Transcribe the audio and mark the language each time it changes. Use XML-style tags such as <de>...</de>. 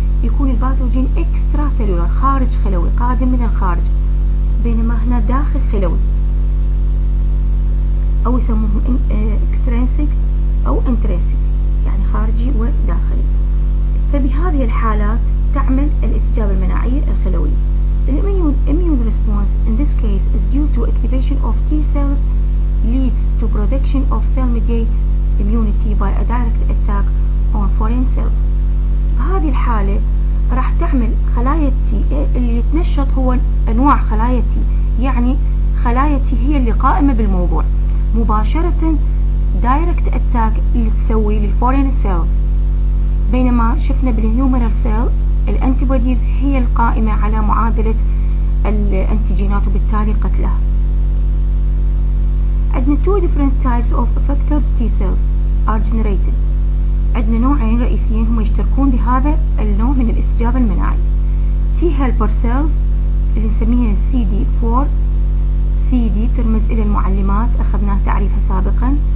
<ar>يكون الباثوجين اكسترا سيلولار، خارج خلوي، قادم من الخارج، بينما هنا داخل خلوي، او يسموه اكسترنسك او انترنسك، يعني خارجي وداخلي. فبهذه الحالات تعمل الاستجابة المناعية الخلوية.</ar> <en>الاميون response in this case is due to activation of T cells leads to production of cell mediated immunity by a direct attack on foreign cells.</en> <ar>بهذه الحالة راح تعمل خلايا تي، اللي يتنشط هو انواع خلايا تي، يعني خلايا تي هي اللي قائمة بالموضوع، مباشرة</ar> <en>direct attack</en> <ar>اللي تسوي للفورين سيلز، بينما شفنا بالهيومرال سيل الانتيبوديز هي القائمة على معادلة الانتيجينات وبالتالي قتلها. عندنا</ar> <en>two different types of effectors T cells are generated.</en> <ar>عندنا نوعين رئيسيين هم يشتركون بهذا النوع من الاستجابة المناعي.</ar> <en>T helper cells</en> <ar>اللي نسميها</ar> <en>CD4.</en> <ar>CD ترمز إلى المعلمات، أخذناه تعريفها سابقا.</ar>